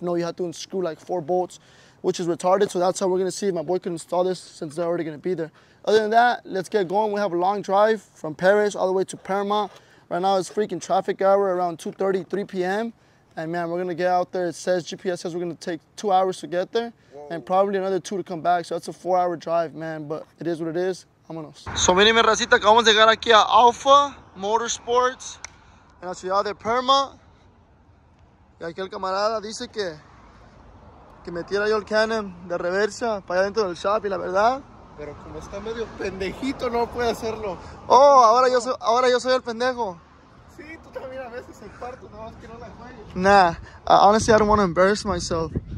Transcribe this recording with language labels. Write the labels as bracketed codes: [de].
[en] No, you have to unscrew like 4 bolts, which is retarded. So that's how we're gonna see if my boy can install this, since they're already gonna be there. Other than that, let's get going. We have a long drive from Paris all the way to Paramount. Right now it's freaking traffic hour around 2:30, 3 p.m. And man, we're gonna get out there. It says, GPS says we're gonna take 2 hours to get there. Whoa. And probably another 2 to come back. So that's a 4-hour drive, man. But it is what it is. Vámonos. [es] So mini mi racita, acabamos de llegar aquí a Alpha Motorsports en la ciudad de Paramount. Y aquí el camarada dice que metiera yo el Canam de reversa para allá dentro del shop, y la verdad, pero como está medio pendejito, no puede hacerlo. Oh, ahora yo soy el pendejo. Sí, tú también a veces el parto, nada más que no la juegues. [en] Nah, honestly, I don't want to embarrass myself.